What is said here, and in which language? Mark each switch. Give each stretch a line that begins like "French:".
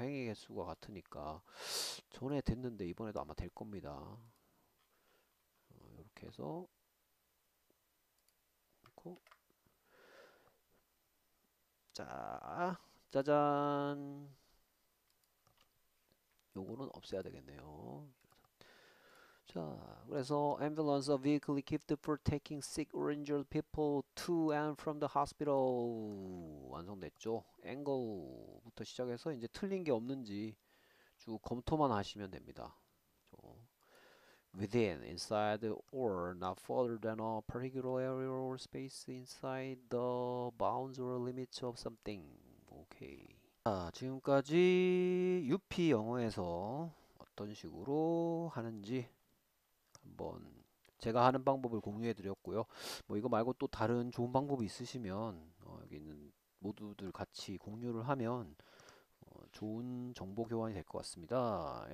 Korean: 행의 개수가 같으니까 전에 됐는데 이번에도 아마 될 겁니다. 이렇게 해서 자, 짜잔. 요거는 없애야 되겠네요. 자, 그래서
English: ambulance a vehicle equipped for taking sick or injured people to and from the hospital
Korean: 완성됐죠? angle부터 시작해서 이제 틀린 게 없는지 쭉 검토만 하시면 됩니다.
English: Within, inside, or not further than a particular area or space inside the bounds or limits of something.
Korean: 오케이. 자, 지금까지 UP 영어에서 어떤 식으로 하는지 한번 제가 하는 방법을 공유해 드렸고요. 뭐 이거 말고 또 다른 좋은 방법이 있으시면 여기 있는 모두들 같이 공유를 하면 좋은 정보 교환이 될것 같습니다.